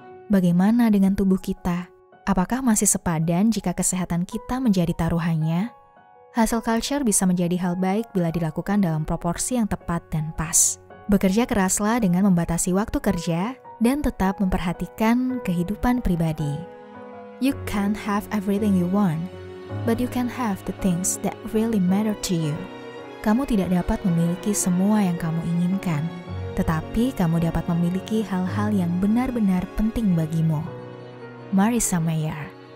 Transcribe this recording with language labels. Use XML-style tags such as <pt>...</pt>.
<id>Bagaimana dengan tubuh kita? Apakah masih sepadan jika kesehatan kita menjadi taruhannya? Hustle culture bisa menjadi hal baik bila dilakukan dalam proporsi yang tepat dan pas. Bekerja keraslah dengan membatasi waktu kerja dan tetap memperhatikan kehidupan pribadi.</id> <en>You can't have everything you want, but you can have the things that really matter to you.</en> <id>Kamu tidak dapat memiliki semua yang kamu inginkan, tetapi kamu dapat memiliki hal-hal yang benar-benar penting bagimu. Marissa Mayer.</id>